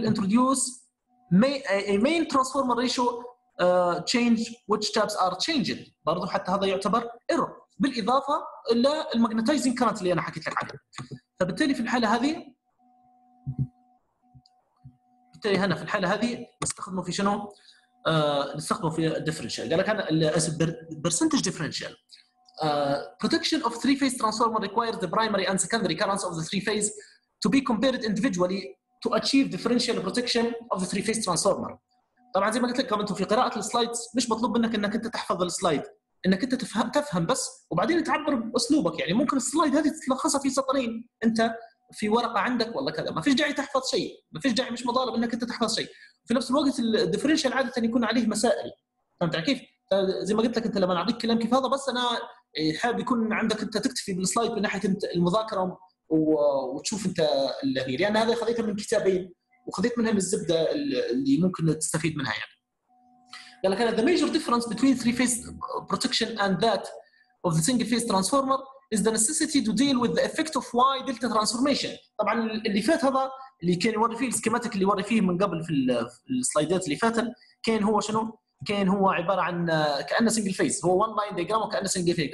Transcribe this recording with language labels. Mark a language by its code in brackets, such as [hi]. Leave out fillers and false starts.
[en] It will introduce a main transformer ratio change which tabs are changing. [ar] برضو حتى هذا يعتبر error بالإضافة إلى الماجنتايزنج كارنت اللي أنا حكيت لك عنه. فبالتالي في الحالة هذه بالتالي هنا في الحالة هذه نستخدمه في شنو؟ نستخدمه في differential. قال لك أنا percentage differential. [en] Protection of three-phase transformer requires the primary and secondary currents of the three-phase to be compared individually to achieve differential protection of the three-phase transformer. [ar] طبعا زي ما قلت لك انتم في قراءة السلايد مش مطلوب منك انك انت تحفظ السلايد، انك انت تفهم بس وبعدين تعبر باسلوبك، يعني ممكن السلايد هذه تلخصها في سطرين انت في ورقة عندك والله كذا، ما فيش داعي تحفظ شيء، ما فيش داعي، مش مطالب انك انت تحفظ شيء. في نفس الوقت الديفرنشال عادة يكون عليه مسائل، فهمت كيف؟ زي ما قلت لك انت لما اعطيك كلام كيف هذا بس انا حابب يكون عندك انت تكتفي بالسلايد من ناحية المذاكرة وتشوف انت اللي يعني هذا خذيته من كتابين وخذيت منها من الزبده اللي ممكن تستفيد منها. يعني قال لك انا [en] the major difference between three phase protection and that of the single phase transformer is the necessity to deal with the effect of y delta transformation. [ar] طبعا اللي فات هذا اللي كان يوري فيه السكيماتيك اللي يوري فيه من قبل في السلايدات اللي فاتت كان هو شنو؟ كان هو عباره عن كانه single phase، هو one line diagram وكانه single phase.